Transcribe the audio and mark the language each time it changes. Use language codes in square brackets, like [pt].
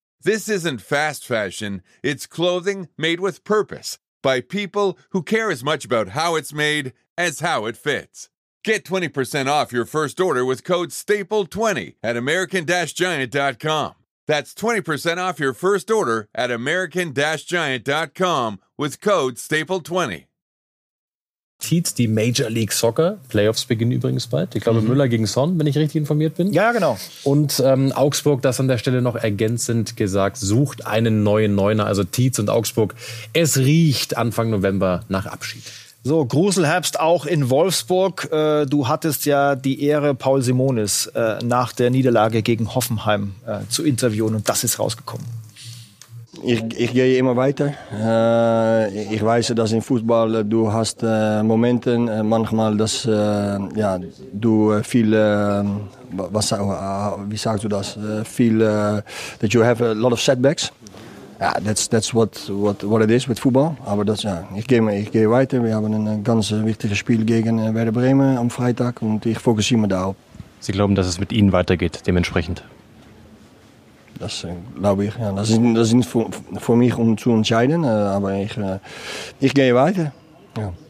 [en] This isn't fast fashion, it's clothing made with purpose by people who care as much about how it's made as how it fits. Get 20% off your first order with code STAPLE20 at American-Giant.com. That's 20% off your first order at American-Giant.com with code STAPLE20. [de] Tietz, die Major League Soccer. Playoffs beginnen übrigens bald. Ich glaube, Müller gegen Son, wenn ich richtig informiert bin. Ja, genau. Und Augsburg, das an der Stelle noch ergänzend gesagt, sucht einen neuen Neuner. Also Tietz und Augsburg, es riecht Anfang November nach Abschied. So, Gruselherbst auch in Wolfsburg. Du hattest ja die Ehre, Paul Simonis nach der Niederlage gegen Hoffenheim zu interviewen. Und das ist rausgekommen. Ich gehe immer weiter. Ich weiß, dass im Fußball du hast Momente, manchmal, dass ja, du viel, was, wie sagst du das? [en] Viel, that you have a lot of setbacks. [de] Ja, [en] that's what it is with football. [de] Aber das, ja, ich gehe weiter. Wir haben ein ganz wichtiges Spiel gegen Werder Bremen am Freitag und ich fokussiere mich darauf. Sie glauben, dass es mit Ihnen weitergeht, dementsprechend? Das glaube ich. Ja. Das ist für mich um zu entscheiden. Aber ich gehe weiter. Ja.